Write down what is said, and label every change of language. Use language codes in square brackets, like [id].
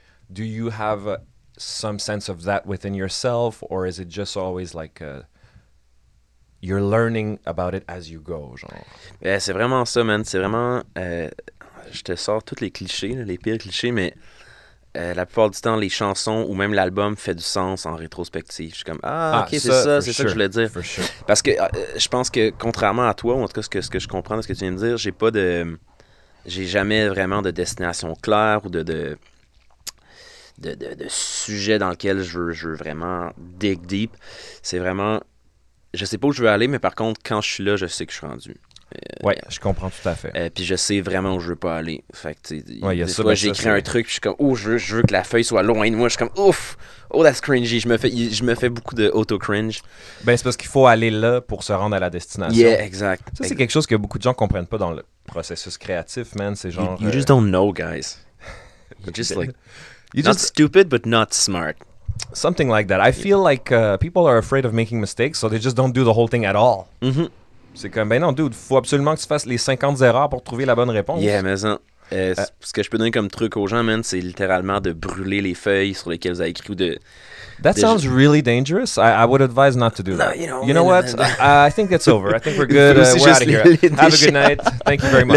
[en] Do you have some sense of that within yourself, or is it just always you're learning about it as you go, genre? [fr] Yeah, c'est vraiment ça, man. C'est vraiment... je te sors tous les clichés, les pires clichés, mais la plupart du temps, les chansons ou même l'album fait du sens en rétrospective. Je suis comme, c'est ça que je voulais dire. Parce que je pense que, contrairement à toi, ou en tout cas ce que je comprends de ce que tu viens de dire, j'ai jamais vraiment de destination claire ou de sujet dans lequel je veux vraiment [en] dig deep. [fr] C'est vraiment, je sais pas où je veux aller, mais par contre, quand je suis là, je sais que je suis rendu. Ouais, je comprends tout à fait. Puis je sais vraiment où je veux pas aller. Fait que, j'écris un truc, puis je suis comme, oh, je veux que la feuille soit loin de moi. Je suis comme, ouf, [en] oh, that's cringy. [fr] Je me fais beaucoup de auto-cringe. Ben, c'est parce qu'il faut aller là pour se rendre à la destination. Yeah, exact. Ça, c'est quelque chose que beaucoup de gens comprennent pas dans le processus créatif, man. C'est genre. [en] You just don't know, guys. You're just not stupid, but not smart. Something like that. I feel like people are afraid of making mistakes, so they just don't do the whole thing at all. Mm-hmm. [fr] C'est comme, ben non, dude, faut absolument que tu fasses les 50 erreurs pour trouver la bonne réponse. Yeah, mais ça. Ce que je peux donner comme truc aux gens, man, c'est littéralement de brûler les feuilles sur lesquelles vous avez écrit ou de. [en] That sounds really dangerous. I would advise not to do that. I think it's over. I think we're good. We're out of here. Have a good night. Thank you very much.